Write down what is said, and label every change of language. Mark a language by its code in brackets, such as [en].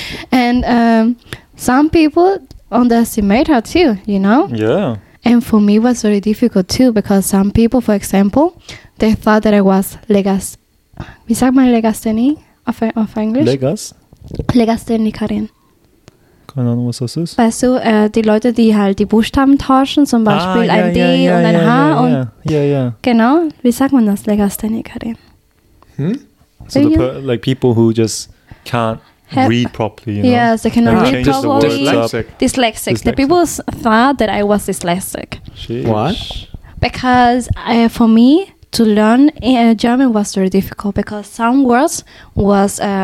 [en] And some people underestimate her too, you know? Yeah. And for me, it was very difficult too because some people, for example, they thought that I was legasthenic of English? [de] Legasthenik Karin. Keine Ahnung, was das ist. Weißt du, die Leute, die halt die Buchstaben tauschen, zum Beispiel ein D und ein H. Genau, wie sagt man das, Legasthenik Karin? [en] So like people who just can't read properly, you know? Yes, they cannot read properly. Dyslexic. The people thought that I was dyslexic. What? Because for me, to learn German was very difficult because some words was...